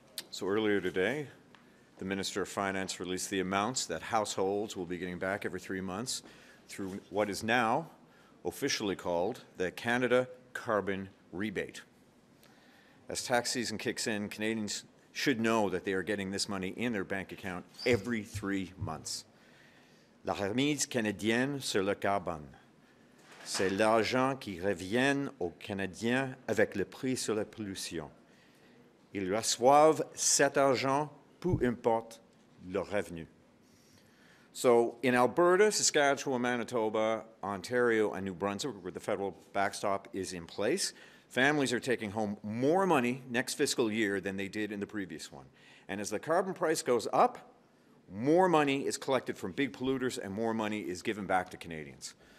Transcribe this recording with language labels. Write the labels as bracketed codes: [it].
[en] So earlier today, the Minister of Finance released the amounts that households will be getting back every 3 months through what is now officially called the Canada Carbon Rebate. As tax season kicks in, Canadians should know that they are getting this money in their bank account every 3 months. [fr] La remise canadienne sur le carbone. C'est l'argent qui revient aux Canadiens avec le prix sur la pollution. Ils reçoivent cet argent, peu importe leur revenu. [en] So in Alberta, Saskatchewan, Manitoba, Ontario, and New Brunswick, where the federal backstop is in place, families are taking home more money next fiscal year than they did in the previous one. And as the carbon price goes up, more money is collected from big polluters and more money is given back to Canadians.